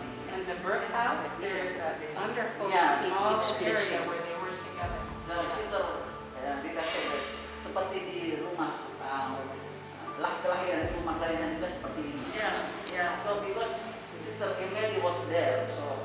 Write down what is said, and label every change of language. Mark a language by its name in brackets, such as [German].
[English] And the birth house, there's a wonderful small area where they were together. So sister, [Indonesian] kita sebut seperti di rumah kelahiran, rumah kelahiran juga seperti ini. [English] Yeah, yeah. So because sister Emily was there, so